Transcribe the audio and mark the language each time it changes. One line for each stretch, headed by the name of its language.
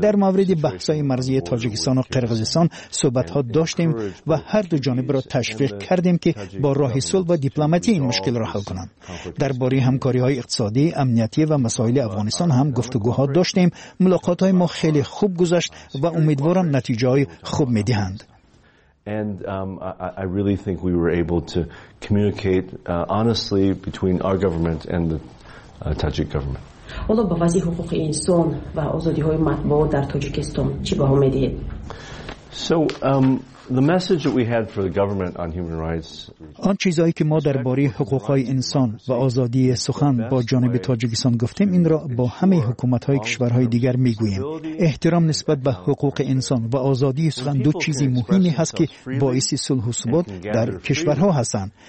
Persian: در مورد بحث‌های مرزی تاجیکستان و قرقیزستان صحبت‌ها داشتیم و هر دو جانب را تشویق کردیم که با راه صلح و دیپلماتی این مشکل را حل کنند. درباره همکاری‌های اقتصادی، امنیتی و مسائل افغانستان هم گفتگوها داشتیم. ملاقات‌های ما خیلی خوب گذشت و امیدوارم نتایج خوب می‌دهند.
English: And I really think we were able to communicate honestly between our government and the Tajik government.
Persian: حالا به وضعیت حقوق انسان و آزادی‌های مطبوعات در تاجیکستان چی باه می‌دهید؟
English: So the message that we had for the government on human rights.
Persian: آن چیزایی که ما درباره حقوق‌های انسان و آزادی سخن با جانب تاجیکستان گفتیم، این را با همه حکومت‌های کشورهای دیگر می‌گوییم. احترام نسبت به حقوق انسان و آزادی سخن دو چیزی مهمی هست که باعث صلح و ثبات در کشورها هستند.